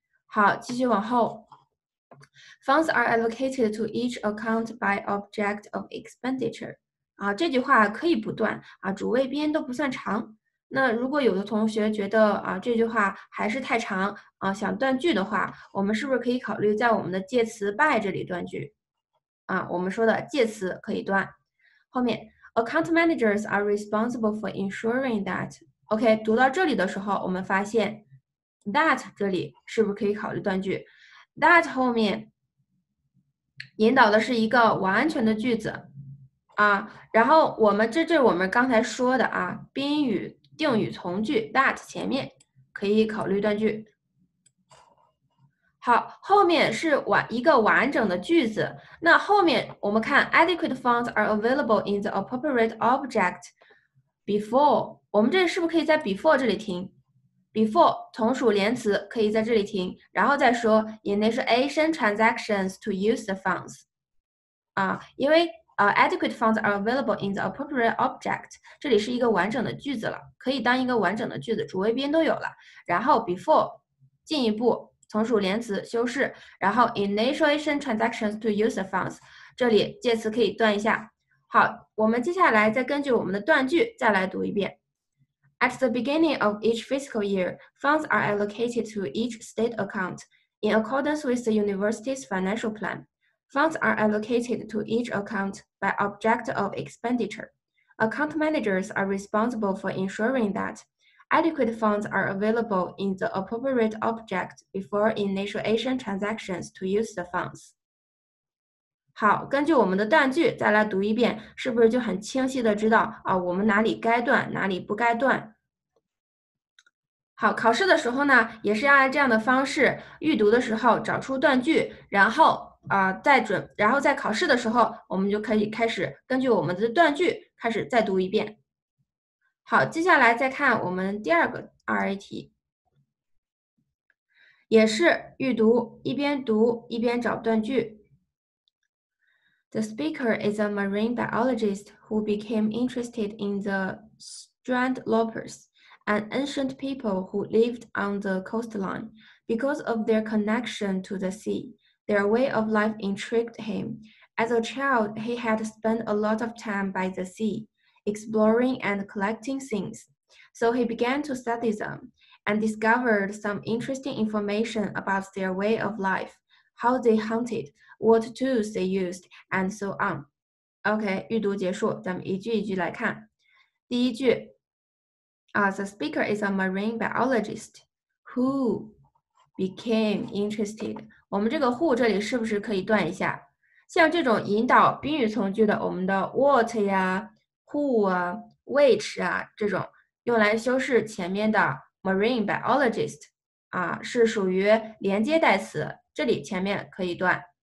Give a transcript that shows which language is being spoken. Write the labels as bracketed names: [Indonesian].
[Chinese] 好，继续往后。 [English] Funds are allocated to each account by object of expenditure。 [Chinese] 这句话可以不断啊，主谓宾都不算长。那如果有的同学觉得这句话还是太长啊，想断句的话，我们是不是可以考虑在我们的介词 by 这里断句？我们说的介词可以断。后面 [English] account managers are responsible for ensuring that。 [Chinese] OK，读到这里的时候，我们发现。That 这里是不是可以考虑断句？That 后面引导的是一个完全的句子啊，然后这是我们刚才说的啊，宾语、定语从句 that 前面可以考虑断句。好，后面是一个完整的句子，那后面我们看 [English] adequate funds are available in the appropriate object before， [Chinese] 我们这是不是可以在 before 这里停？ Before 从属连词可以在这里停，然后再说 [English] initiation transactions to use the funds。 [Chinese] 因为 [English] adequate funds are available in the appropriate object， [Chinese] 这里是一个完整的句子了，可以当一个完整的句子，主谓宾都有了。然后 before 进一步从属连词修饰，然后 [English] initiation transactions to use the funds， [Chinese] 这里介词可以断一下。好，我们接下来再根据我们的断句再来读一遍。 [English] At the beginning of each fiscal year, funds are allocated to each state account in accordance with the university's financial plan. Funds are allocated to each account by object of expenditure. Account managers are responsible for ensuring that adequate funds are available in the appropriate object before initiation transactions to use the funds. [Chinese] 好，根据我们的断句再来读一遍，是不是就很清晰的知道我们哪里该断，哪里不该断？好，考试的时候呢，也是要按这样的方式，预读的时候找出断句，然后然后在考试的时候，我们就可以开始根据我们的断句开始再读一遍。好，接下来再看我们第二个 2A 题，也是预读，一边读一边找断句。 [English] The speaker is a marine biologist who became interested in the strandlopers, an ancient people who lived on the coastline. Because of their connection to the sea, their way of life intrigued him. As a child, he had spent a lot of time by the sea, exploring and collecting things. So he began to study them and discovered some interesting information about their way of life, how they hunted, what tools they used, and so on. [Chinese] OK, 阅读结束，咱们一句一句来看。第一句 [English] the speaker is a marine biologist who became interested. [Chinese] 我们这个 who 这里是不是可以断一下？像这种引导宾语从句的，我们的 what 呀、who 啊、which 啊这种用来修饰前面的 marine biologist 啊，是属于连接代词，这里前面可以断。